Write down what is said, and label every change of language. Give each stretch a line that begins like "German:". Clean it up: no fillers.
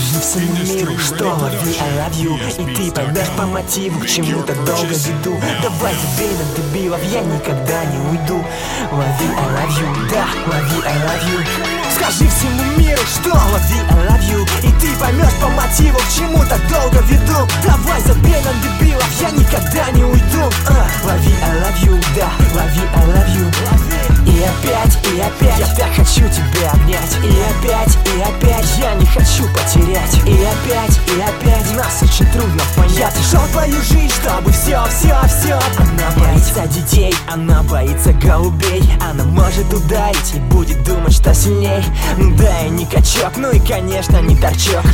Russian: всему миру, что
English: love you, I love you.
Russian: И ты поймешь по мотиву, к чему-то долго веду. Давай забей на дебилов, я никогда не уйду.
English: Love you, I love you,
Russian: да,
English: love you, I love you.
Russian: Скажи всему миру, что
English: love you, I love you.
Russian: И ты поймешь по мотиву, к чему-то долго веду. Давай забей на дебилов, я никогда не уйду.
English: Love you, I love you,
Russian: да,
English: love you, I love you.
Russian: И опять, я так хочу тебя обнять. И опять, я не хочу потерять. И опять, нас очень трудно понять. Я зашел в твою жизнь, чтобы все, все, все. Она боится детей, она боится голубей. Она может ударить и будет думать, что сильней. Ну да, и не качок, ну и конечно не торчок.